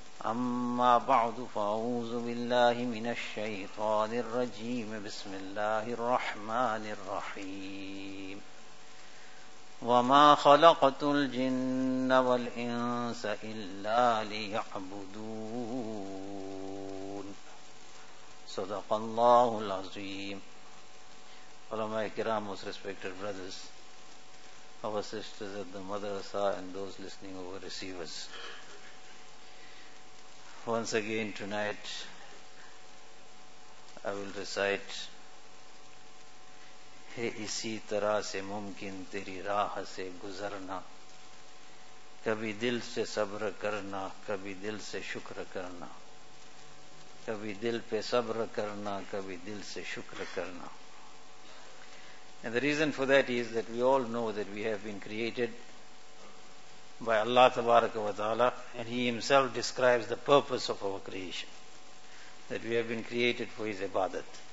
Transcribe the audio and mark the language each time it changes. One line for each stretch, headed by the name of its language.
Arabic: أما بعد، فأعوذ بالله من الشيطان الرجيم، بسم الله الرحمن الرحيم. وما خلقت الجن والإنس إلا ليعبدون. صدق الله العظيم. علماء الكرام،
English: most respected brothers, our sisters at the madrasa and those listening over receivers, once again tonight I will recite
Urdu: ہے اسی طرح سے ممکن تیری راہ سے گزرنا، کبھی دل سے صبر کرنا، کبھی دل سے شکر کرنا، کبھی دل پہ صبر کرنا، کبھی دل سے شکر کرنا.
English: And the reason for that is that we all know that we have been created by Allah تبارک و تعالی, and He Himself describes the purpose of our creation, that we have been created for His عبادت.